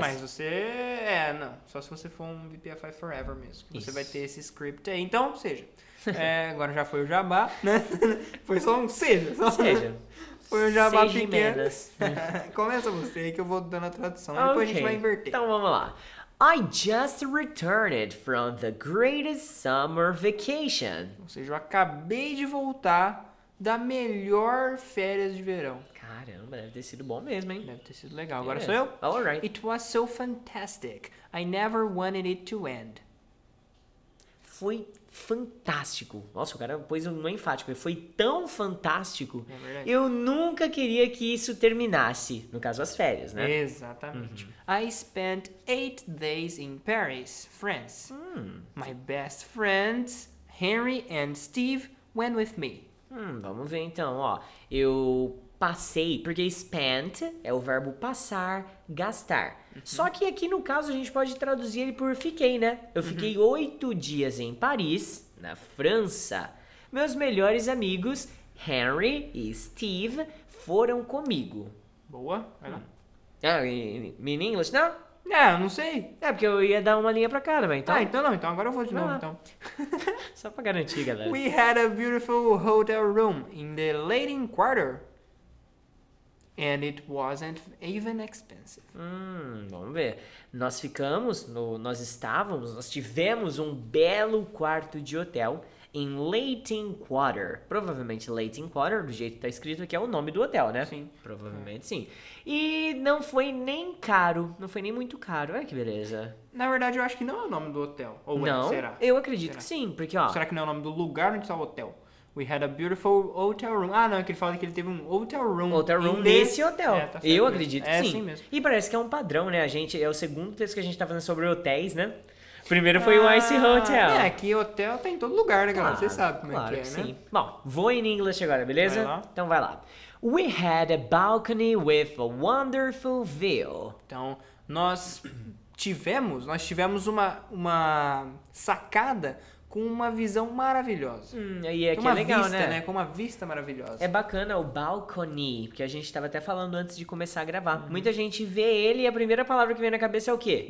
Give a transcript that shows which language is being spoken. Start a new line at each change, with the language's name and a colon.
Portuguese: Mas você... não. Só se você for um VPFI Forever mesmo. Isso. Você vai ter esse script aí. Então, seja... agora já foi o jabá, né? Foi só um seja. Foi um jabá seja pequeno. Começa você aí que eu vou dando a tradução.
English: Okay.
Portuguese: Depois a gente vai inverter. Então vamos lá.
English: I just returned from the greatest summer vacation.
Portuguese: Ou seja, eu acabei de voltar da melhor férias de verão. Caramba, deve ter sido bom mesmo, hein? Deve ter sido legal. Agora sou eu.
English: All right. It was so fantastic. I never wanted it to end.
Portuguese: Foi fantástico. Nossa, o cara pôs um enfático. Foi tão fantástico. É verdade. Eu nunca queria que isso terminasse. No caso, as férias, né? Exatamente. Uhum.
English: I spent 8 days in Paris, France. My best friends, Henry and Steve, went with me.
Portuguese: Vamos ver então, ó. Eu passei, porque spent é o verbo passar, gastar. Só que aqui no caso a gente pode traduzir ele por fiquei, né? Eu fiquei 8 dias em Paris, na França. Meus melhores amigos, Henry e Steve, foram comigo. Boa.
English: In English,
Portuguese: não? Não sei. É, porque eu ia dar uma linha pra cada, mas então... Ah, então não. Então agora eu vou de novo, então. Só pra garantir, galera.
English: We had a beautiful hotel room in the Latin Quarter. And it wasn't even expensive.
Portuguese: Vamos ver. Nós ficamos, nós tivemos um belo quarto de hotel em Latin Quarter. Provavelmente Latin Quarter, do jeito que tá escrito aqui, é o nome do hotel, né? Sim. Provavelmente sim. E não foi nem caro, não foi nem muito caro. Olha que beleza. Na verdade, eu acho que não é o nome do hotel. Ou não, é, será? Eu acredito que sim, porque ó... Será que não é o nome do lugar onde está o hotel?
English: We had a beautiful hotel room.
Portuguese: Ah, não, é que ele fala que ele teve um hotel room. Hotel room nesse hotel. É, tá certo. Eu acredito que sim. É assim mesmo. E parece que é um padrão, né? É o segundo texto que a gente tá fazendo sobre hotéis, né? Primeiro foi o Ice Hotel. É, que hotel tá em todo lugar, né, galera? Você sabe como claro é que é, sim. Né? Bom, vou em inglês agora, beleza? Vai lá. Então vai lá.
English: We had a balcony with a wonderful view.
Portuguese: Então, nós tivemos uma sacada com uma visão maravilhosa. Aí é que é legal, vista, né? Com uma vista maravilhosa. É bacana o balcony, que a gente estava até falando antes de começar a gravar. Muita gente vê ele e a primeira palavra que vem na cabeça é o quê?